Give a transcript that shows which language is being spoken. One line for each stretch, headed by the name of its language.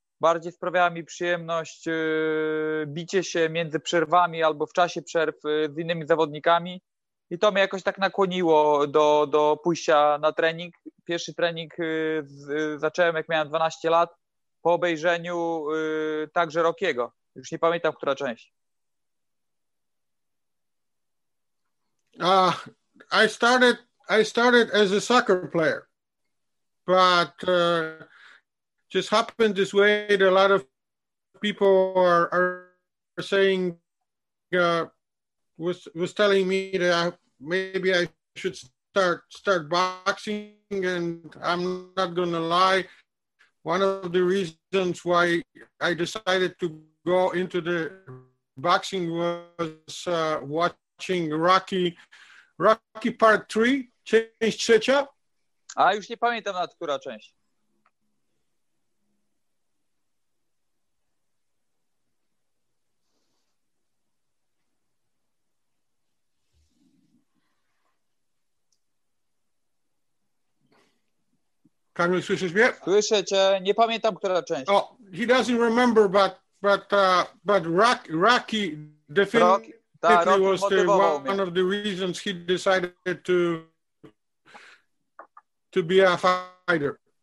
Polish: Bardziej sprawiało mi przyjemność bicie się między przerwami albo w czasie przerw z innymi zawodnikami. I to mnie jakoś tak nakłoniło do pójścia na trening. Pierwszy trening zacząłem, jak miałem 12 lat, po obejrzeniu także Rockiego. Już nie pamiętam, która część.
English: I started as a soccer player, but just happened this way that a lot of people are saying was telling me that maybe I should start boxing, and I'm not gonna lie, one of the reasons why I decided to go into the boxing was watching Rocky Part 3,
Polish: część trzecia. A już nie pamiętam nawet, która część. Kamil, słyszysz mnie? Słyszę cię. Nie pamiętam, która część. O,
English: he doesn't remember, but Rocky definitely Rocky, was the one of the reasons he decided to be a fighter.